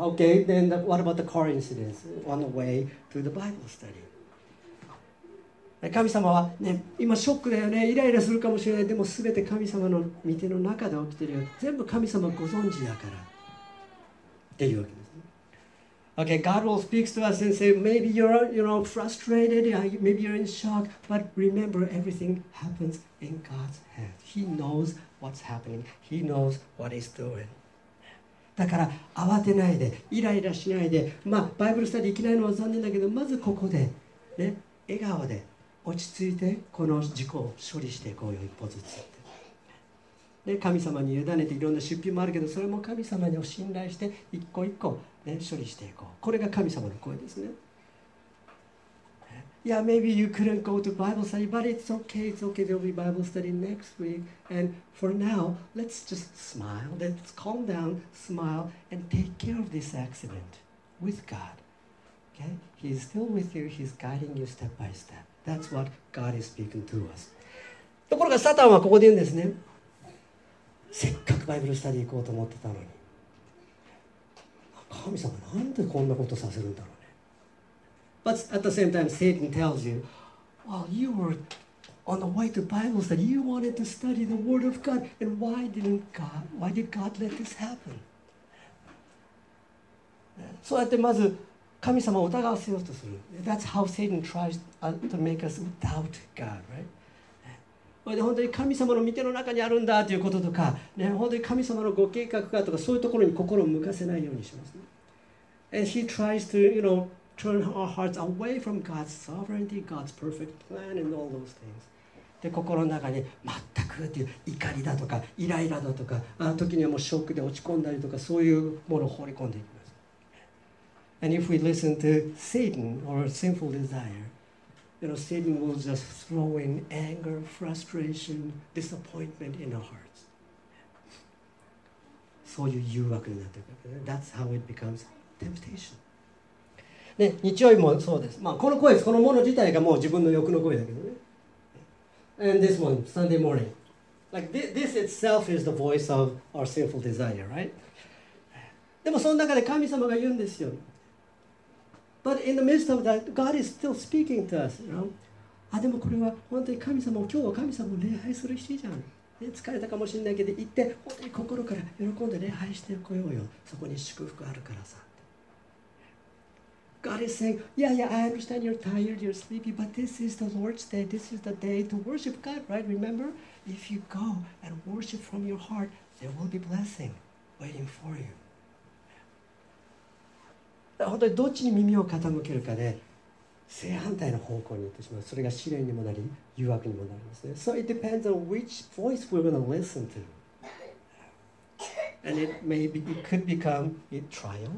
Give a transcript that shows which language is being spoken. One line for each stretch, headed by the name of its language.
English: Okay, then the, what about the car incident on the way to the Bible study?
Japanese: 神様は、ね、今ショックだよね、イライラするかもしれない、でも全て神様の御手の中で起きてるよ、全部神様ご存知だからっていうわけですね。
English: Okay, God will speak to us and say, maybe you're, you know, frustrated, maybe you're in shock, but remember everything happens in God's hands. He knows what's happening. He knows what he's doing.
Japanese: だから慌てないで、イライラしないで、まあバイブルスタディ行けないのは残念だけど、まずここでね、笑顔で落ち着いてこの事故を処理していこうよ、一歩ずつって。で、神様に委ねて、いろんな出費もあるけど、それも神様にお信頼して一個一個、ね、処理していこう。これが神様の声ですね。
English: Yeah, maybe you couldn't go to Bible study, but it's okay, it's okay, there'll be Bible study next week. And for now, let's just smile, let's calm down, smile, and take care of this accident with God. Okay? He's still with you, He's guiding you step by step. That's what God is speaking to us.
Japanese: ところがサタンはここで言うんですね。せっかくバイブルスタディ行こうと思ってたのに、神様なんでこんなことさせるんだろうね。
English: But at the same time, Satan tells you, well, you were on the way to Bible study. You wanted to study the Word of God. And why didn't God, why did God let this happen?
Japanese: そうやってまず、神様を疑わせようとする。
English: That's how Satan tries to make us doubt God, right?
Japanese: これで本当に神様の御手の中にあるんだということとか、ね、本当に神様のご計画かとか、そういうところに心を向かせないようにします、ね。
English: And he tries to, you know, turn our hearts away from God's sovereignty, God's perfect plan, and all those things.
Japanese: で、心の中に全くっていう怒りだとか、イライラだとか、あの時にはもうショックで落ち込んだりとか、そういうものを放り込んでいく。
English: And if we listen to Satan or sinful desire, you know, Satan will just throw in anger, frustration, disappointment in our hearts.
Japanese: そういう誘惑になってくる。
English: That's how it becomes temptation.
Japanese: ね、日曜日もそうです。まあ、この声です。このもの自体がもう自分の欲の声だけどね。
English: And this one, Sunday morning. Like this itself is the voice of our sinful desire, right?
Japanese: でもその中で神様が言うんですよ。
English: But in the midst of that, God is still speaking to us, you know?
Japanese: あ、でもこれは本当に神様、今日は神様を礼拝する日じゃん。ね、疲れたかもしれないけど、行って本当に心から喜んで礼拝してこようよ。そこに祝福あるからさ。
English: God is saying, yeah, yeah, I understand you're tired, you're sleepy, but this is the Lord's day, this is the day to worship God, right? Remember, if you go and worship from your heart, there will be blessing waiting for you.
Japanese: 本当にどっちに耳を傾けるかで正反対の方向に行ってしまう。それが試練にもなり誘惑にもなりますね。
English: So it depends on which voice we're going to listen to. And it may be, it could become a trial.